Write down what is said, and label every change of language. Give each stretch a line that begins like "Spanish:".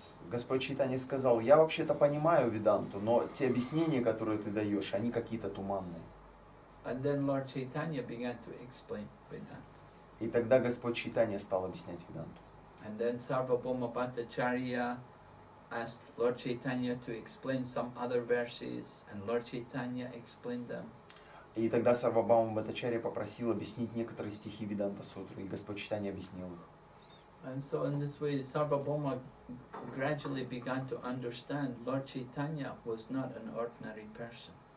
Russian: Господь Чайтанья сказал, я вообще-то понимаю Веданту, но те объяснения, которые ты даешь, они какие-то туманные.
English: And then Lord Chaitanya began to explain Vedanta.
Russian: И тогда Господь Чайтанья стал объяснять Веданту.
English: And then Sarvabhauma Bhattacharya asked Lord Chaitanya to explain some other verses, and Lord Chaitanya explained them.
Russian: И тогда Сарвабхаума Бхаттачарья попросил объяснить некоторые стихи Веданта Сутры, и Господь Чайтанья объяснил их.
English: And so in this way, Sarvabhauma gradually began to understand Lord Chaitanya was not an ordinary person.